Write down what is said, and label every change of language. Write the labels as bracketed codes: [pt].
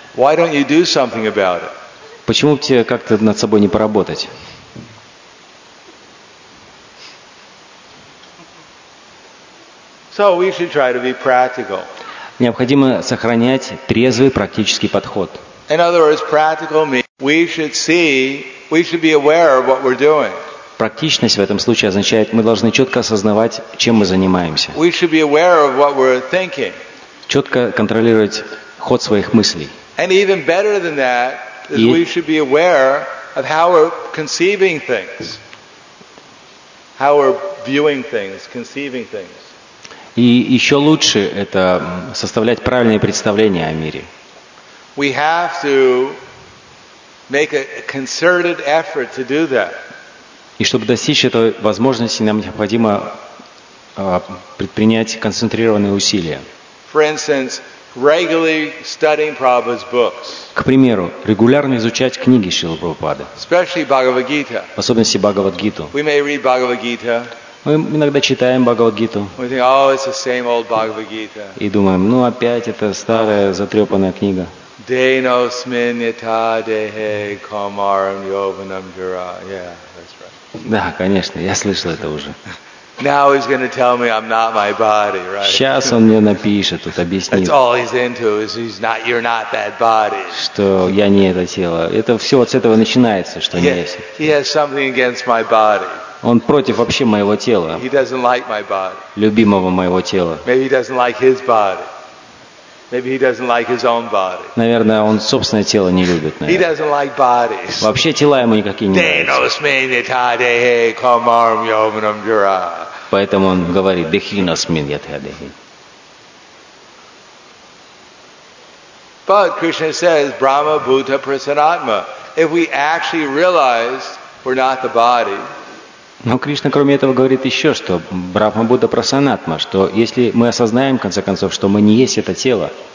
[en] Why don't you do something about it? [ru] Почему бы тебе как-то над собой не поработать? [en] So we should try to be practical. [ru] Необходимо сохранять трезвый практический подход. [en] In other words, practical means we should see, we should be aware of what we're doing. [ru] Практичность в этом случае означает, мы должны четко осознавать, чем мы занимаемся. [en] We should be aware of what we're thinking. [ru] Четко контролировать ход своих мыслей. [en] And even better than that is we should be aware of how we're conceiving things. How we're viewing things, conceiving things. [ru] И еще лучше это составлять правильные представления о мире. [en] We have to make a concerted effort to do that. [ru] И чтобы достичь этой возможности, нам необходимо предпринять концентрированные усилия. [en] For instance, regularly studying Prabhupada's books. [ru] К примеру, регулярно изучать книги Шрилы Прабхупады. [en] Especially Bhagavad Gita. [ru] В особенности Bhagavad Gita. [en] We may read Bhagavad Gita. [ru] Мы иногда читаем Bhagavad Gita. [en] We think, oh, it's the same old Bhagavad Gita. [ru] И думаем: ну опять эта старая затрепанная книга. [sa] Deno smin yata dehe komaram yovanam jura. [en] Yeah, that's right. [ru] Да, конечно, я слышал это уже. [en] Now he's going to tell me I'm not my body, right? [ru] Сейчас он мне напишет, тут объяснит. [en] That's all he's into is he's not, you're not that body. [ru] Что я не это тело. Это все вот с этого начинается, что не есть. [en] He has something against my body. [ru] Он против вообще моего тела. [en] He doesn't like my body. [ru] Любимого моего тела. [en] Maybe he doesn't like his body. Maybe he doesn't like his own body. [ru] Наверное, он собственное тело не любит. [en] He doesn't like bodies. [ru] Вообще тела ему никакие не нравятся. Поэтому он говорит: [sa] дехиносмин ятхадехи. [en] But Krishna says, [sa] Brahma Bhuta Prasanatma. [en] If we actually realize we're not the body. [ru] Но Кришна, кроме этого, говорит еще, что Брахма Будда Прасанатма, что если мы осознаем, в конце концов, что мы не есть это тело,